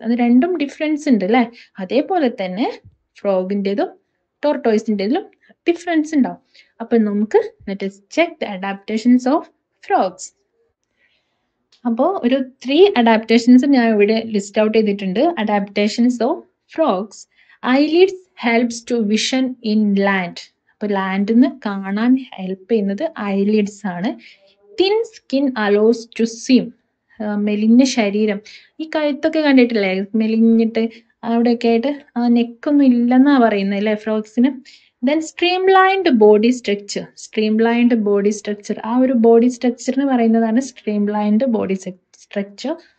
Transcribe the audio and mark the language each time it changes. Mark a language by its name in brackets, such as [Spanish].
[Malayalam] അത് രണ്ടും ഡിഫറൻസ് ഉണ്ട് അല്ലേ. അതേപോലെ തന്നെ ഫ്രോഗിൻ്റെതും ടോർട്ടോയിസിൻ്റെതിലും ഡിഫറൻസ് ഉണ്ടാവും. അപ്പം നമുക്ക് [English] Let us check the adaptations of frogs. [Malayalam] അപ്പോൾ ഒരു 3 അഡാപ്റ്റേഷൻസ് ഞാൻ ഇവിടെ ലിസ്റ്റ് ഔട്ട് ചെയ്തിട്ടുണ്ട്. [English] Adaptations of frogs. Eyelids helps to vision in land. [Malayalam] അപ്പോൾ ലാൻഡിൽ നിന്ന് കാണാൻ ഹെൽപ്പ് ചെയ്യുന്നത് ഐലിഡ്സ് ആണ്. [English] Thin skin allows to swim. [Malayalam] മെലിഞ്ഞ ശരീരം, ഈ കഴുത്തൊക്കെ കണ്ടിട്ടില്ലേ, മെലിഞ്ഞിട്ട് അവിടെയൊക്കെ ആയിട്ട് ആ നെക്കൊന്നും ഇല്ലെന്നാ പറയുന്നത് അല്ലേ ഫ്രോഗ്സിന്. [English] then streamlined body structure, streamlined body structure, [Malayalam] ആ ഒരു ബോഡി സ്ട്രക്ചറിന് പറയുന്നതാണ് [English] Streamlined body structure.